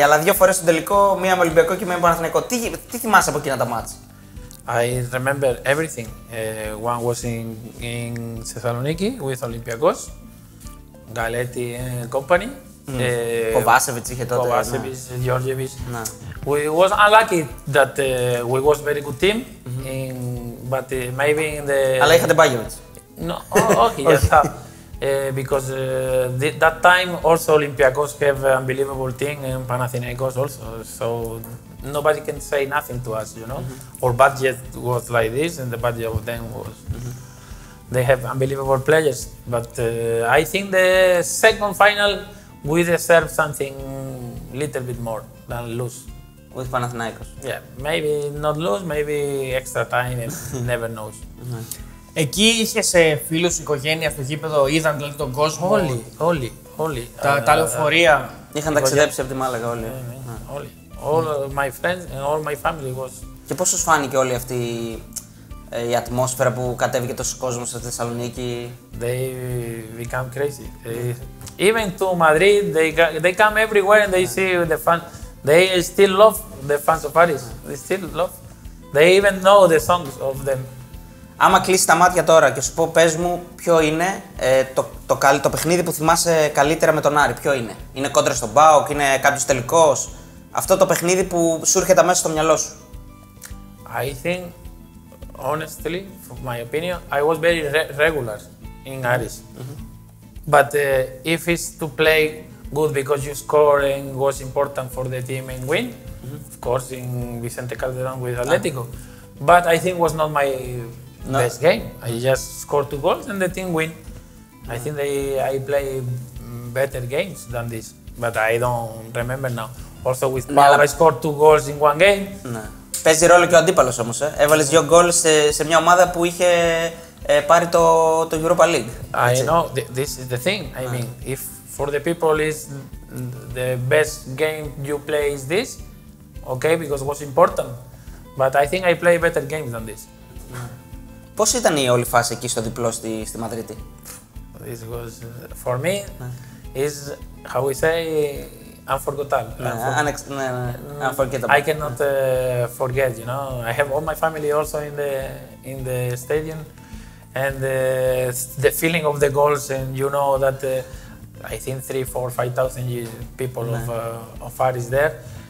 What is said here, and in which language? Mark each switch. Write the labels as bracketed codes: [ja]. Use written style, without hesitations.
[el] Αλλά δύο φορές στον τελικό, μία με Ολυμπιακό και μία με Παναθηναϊκό. Τι θυμάσαι από εκείνα τα μάτς? [en] I remember everything. One was in Θεσσαλονίκη with Ολυμπιακός. [el] Γκαλέτη Company. Κοβάσεβιτς είχε τότε. Κοβάσεβιτς, Γιώργεβιτς. [en] We was unlucky that we was very good team. Mm-hmm. But maybe in the... [el] Αλλά είχατε Μπάγεβιτς. Όχι, για αυτά. [en] Because that time also Olympiacos have unbelievable team and Panathinaikos also. So nobody can say nothing to us, you know. Mm-hmm. Our budget was like this and the budget of them was... Mm-hmm. They have unbelievable players, but I think the second final we deserve something little bit more than lose. With Panathinaikos. Yeah, maybe not lose, maybe extra time, never knows. [el] Εκεί είχες φίλους, οικογένεια στο γήπεδο, είδαν δηλαδή τον κόσμο? Όλοι, όλοι, όλοι. Τα λεωφορεία. Είχαν ταξιδέψει από τη Μάλαγα όλοι. Όλοι. [en] All my friends and all my family was. [el] Και πώς σας φάνηκε όλη αυτή η ατμόσφαιρα που κατέβηκε τόσο κόσμο στη Θεσσαλονίκη? [en] They become crazy. Even to Madrid, they come everywhere and they see the fans. They still love the fans of Paris. They still love. They even know the songs of them. [el] Άμα κλείσει τα μάτια τώρα και σου πω, πες μου, ποιο είναι το παιχνίδι που θυμάσαι καλύτερα με τον Άρη, ποιο είναι. Είναι κόντρα στον ΠΑΟΚ, είναι κάποιο τελικό. Αυτό το παιχνίδι που σου έρχεται μέσα στο μυαλό σου. [en] I think, honestly, from my opinion, I was very regular in Aris. Mm-hmm. But if it's to play good because you score and was important for the team and win, mm-hmm. of course, in Vicente Calderon with Atletico. Mm-hmm. But I think it was not my best game. I just scored two goals and the team win. Mm-hmm. I think I play better games than this, but I don't remember now. Also with Malaga, I scored two goals in one game. [el] Παίζει ρόλο και ο αντίπαλος όμως. Ε. Έβαλες δύο γκολ σε μια ομάδα που είχε πάρει το Europa League. Έτσι. [en] I know, this is the thing. I mean, if for the people is the best game you play is this, okay, because it was important. But I think I play better games than this. [el] Πώς ήταν η όλη φάση εκεί στο διπλό στη Μαδρίτη? [en] This was, for me, is how we say. Unforgettable. I cannot forget, you know. I have all my family also in the stadium, and the feeling of the goals, and you know that I think 3,000-5,000 people of Aris there.